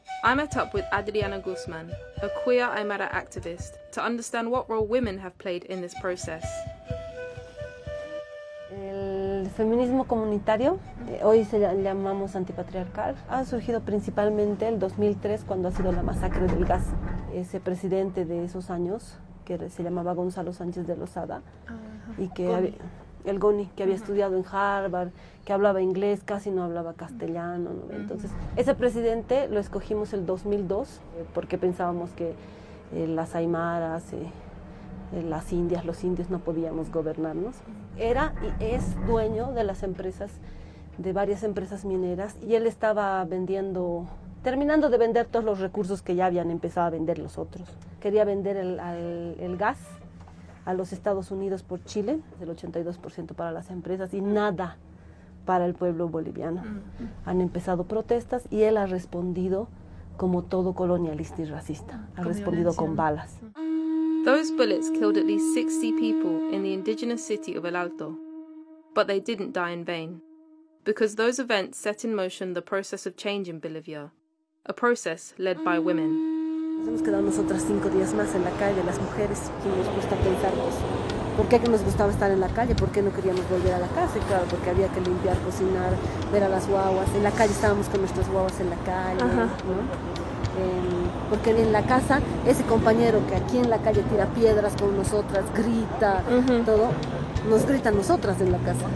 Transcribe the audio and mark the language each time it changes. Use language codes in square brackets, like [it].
[en] I met up with Adriana Guzman, a queer Aymara activist, to understand what role women have played in this process. [es] El feminismo comunitario, hoy se llamamos antipatriarcal, ha surgido principalmente el 2003 cuando ha sido la masacre del gas. Ese presidente de esos años, que se llamaba Gonzalo Sánchez de Lozada, y que el Goni, que había estudiado en Harvard, que hablaba inglés, casi no hablaba castellano, ¿no? Entonces, ese presidente lo escogimos el 2002 porque pensábamos que las aymaras, las indias, los indios no podíamos gobernarnos. Era y es dueño de las empresas, de varias empresas mineras, y él estaba vendiendo, terminando de vender todos los recursos que ya habían empezado a vender los otros. Quería vender el gas a los Estados Unidos por Chile, es el 82% para las empresas y nada para el pueblo boliviano. Han empezado protestas y él ha respondido como todo colonialista y racista, ha respondido con balas. [en] Those bullets killed at least 60 people in the indigenous city of El Alto, but they didn't die in vain, because those events set in motion the process of change in Bolivia, a process led by women. [es] Nos hemos quedado nosotras 5 días más en la calle, las mujeres, que nos gusta pensarnos. ¿Por qué nos gustaba estar en la calle? ¿Por qué no queríamos volver a la casa? Y claro, porque había que limpiar, cocinar, ver a las guaguas. En la calle estábamos con nuestras guaguas en la calle, ¿no? Porque en la casa, ese compañero que aquí en la calle tira piedras con nosotras, grita, todo, nos grita a nosotras en la casa.